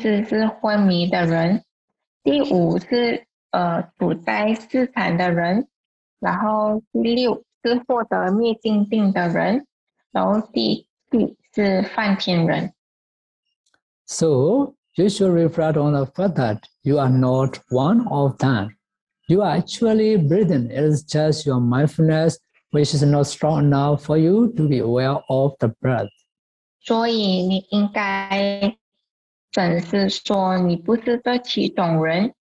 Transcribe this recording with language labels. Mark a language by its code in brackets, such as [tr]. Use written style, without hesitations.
[zh] 有一些禅师会以为他们的呼吸停止了，然后小豆说他觉得不是，因为只有七种人呢是没有呼吸的。他是哪七种人呢？他们是一个已经往生的人，第二就是母胎里面的胎儿，第三是溺水的人，第四是昏迷的人，第五是 处在四禅的人，然后第六是获得灭尽定的人，然后第七是梵天人。 [en] So you should reflect on the fact that you are not one of them. You are actually breathing. It is just your mindfulness, which is not strong enough for you to be aware of the breath. [zh] 所以你应该正视说你不是这七种人。